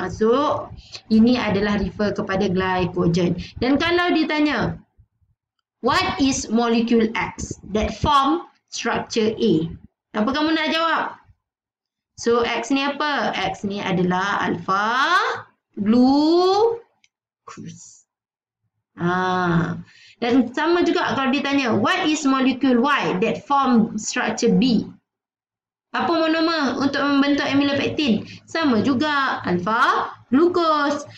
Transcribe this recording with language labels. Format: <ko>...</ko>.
<ms>So ini adalah refer kepada glycogen. Dan kalau ditanya,</ms> <en>what is molecule X that form structure A?</en> <ms>Apa kamu nak jawab? So X ni apa? X ni adalah alpha glucose.</ms> <en>Ah.</en> <ms>Dan sama juga kalau ditanya,</ms> <en>what is molecule Y that form structure B?</en> <ms>Apa monomer untuk membentuk amylopektin? Sama juga, alfa, glukos.</ms>